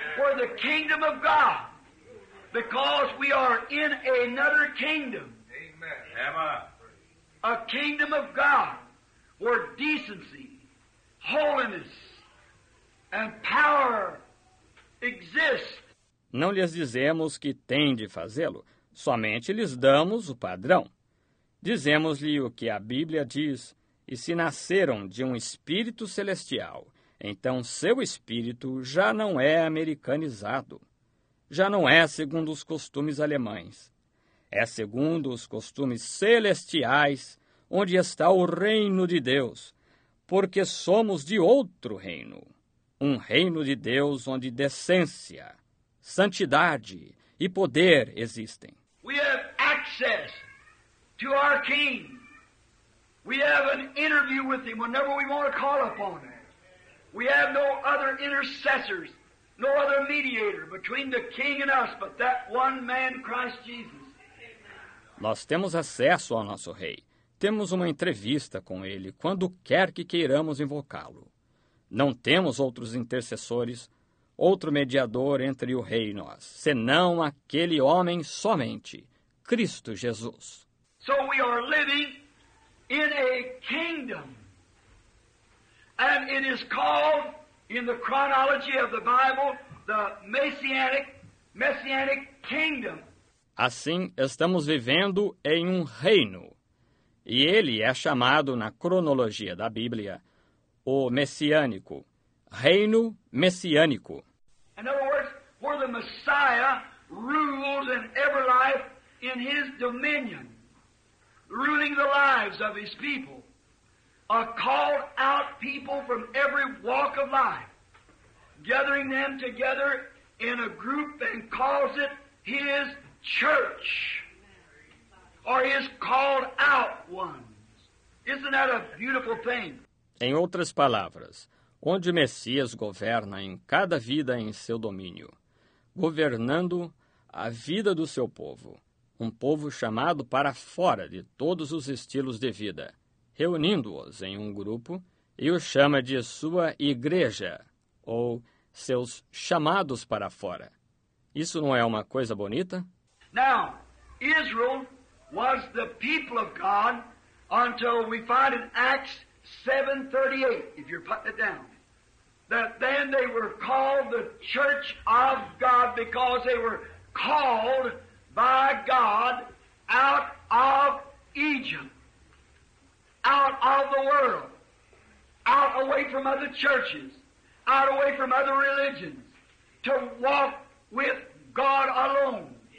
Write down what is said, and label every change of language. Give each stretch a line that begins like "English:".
English: We're the kingdom of God. Because we are in another kingdom. Amen. A kingdom of God where decency, holiness, and power exist.
Portuguese: Não lhes dizemos que têm de fazê-lo, somente lhes damos o padrão. Dizemos-lhe o que a Bíblia diz, e se nasceram de um espírito celestial, então seu espírito já não é americanizado. Já não é segundo os costumes alemães. É segundo os costumes celestiais, onde está o reino de Deus, porque somos de outro reino, um reino de Deus onde decência, santidade e poder existem.
English: We have access to our King. We have an interview with Him whenever we want to call upon Him. We have no other intercessors, no other mediator between the King and us, but that one man, Christ Jesus.
Portuguese: Nós temos acesso ao nosso Rei. Temos uma entrevista com Ele quando quer que queiramos invocá-lo. Não temos outros intercessores, outro mediador entre o Rei e nós, senão aquele homem somente, Cristo Jesus.
English: So we are living in a kingdom, and it is called, in the chronology of the Bible, the messianic kingdom.
Portuguese: Assim, estamos vivendo em um reino, e ele é chamado, na cronologia da Bíblia, o messiânico, reino messiânico.
English: In other words, where the Messiah rules in every life in his dominion, ruling the lives of his people, a called out people from every walk of life, gathering them together in a group and calls it his church, or his called out ones. Isn't that a beautiful thing?
Portuguese: Em outras palavras, onde o Messias governa em cada vida em seu domínio, governando a vida do seu povo, um povo chamado para fora de todos os estilos de vida, reunindo-os em um grupo e o chama de sua igreja, ou seus chamados para fora. Isso não é uma coisa bonita?
English: Now, Israel was the people of God until we find in Acts 7:38, if you're putting it down, that then they were called the church of God because they were called by God out of Egypt, out of the world, out away from other churches, out away from other religions, to walk with God alone.